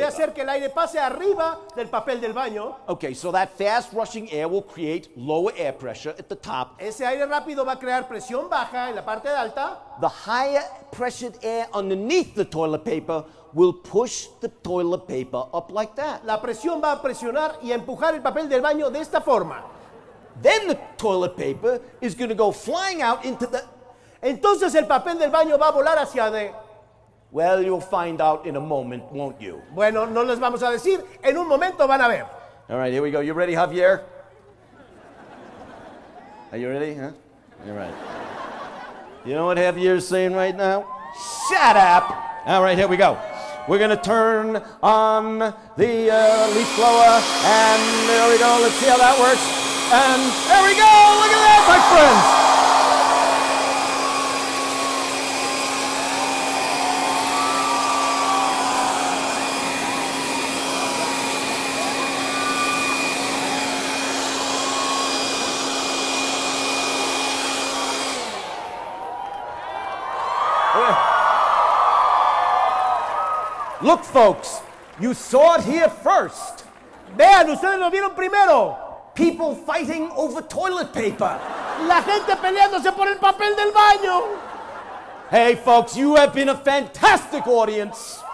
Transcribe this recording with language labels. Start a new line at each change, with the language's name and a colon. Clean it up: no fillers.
Spanish: Voy a hacer que el aire pase arriba del papel del baño.
English: Okay, so that fast rushing air will create lower air pressure at the top.
Spanish: Ese aire rápido va a crear presión baja en la parte de alta.
English: The higher pressured air underneath the toilet paper will push the toilet paper up like that.
Spanish: La presión va a presionar y a empujar el papel del baño de esta forma.
English: Then the toilet paper is going to go flying out into the...
Spanish: Entonces el papel del baño va a volar hacia de...
English: Well, you'll find out in a moment, won't you?
Spanish: Bueno, no les vamos a decir. En un momento van a ver.
English: All right, here we go. You ready, Javier? Are you ready, huh? You're right. You know what Javier's saying right now? Shut up! All right, here we go. We're going to turn on the leaf blower. And there we go. Let's see how that works. And there we go! Look at that, my friends! Look, folks, you saw it here first.
Spanish: Vean, ustedes lo vieron primero.
English: People fighting over toilet paper.
Spanish: La gente peleándose por el papel del baño.
English: Hey, folks, you have been a fantastic audience.